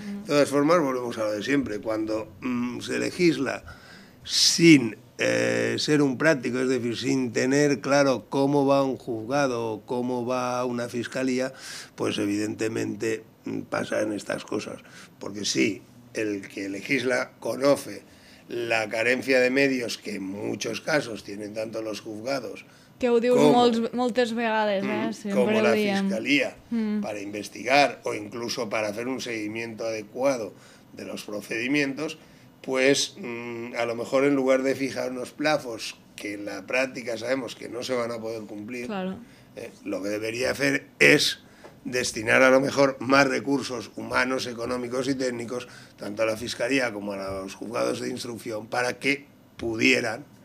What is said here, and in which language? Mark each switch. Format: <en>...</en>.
<es>De todas formas, volvemos a lo de siempre. Cuando se legisla sin ser un práctico, es decir, sin tener claro cómo va un juzgado o cómo va una fiscalía, pues evidentemente pasan estas cosas. Porque sí, el que legisla conoce la carencia de medios que en muchos casos tienen tanto los juzgados,</es> <ca>que ho dius moltes vegades, sempre ho diem. Com la fiscalia,</ca> <es>para investigar o incluso para</es> <ca>fer un seguiment</ca> <es>adequado de los procedimientos, pues a lo mejor en lugar de fijar unos plazos que en la práctica sabemos que no se van a poder cumplir, claro, lo que debería hacer es destinar a lo mejor más recursos humanos, económicos y técnicos, tanto a la fiscalía como a los juzgados de instrucción, para que pudieran,</es>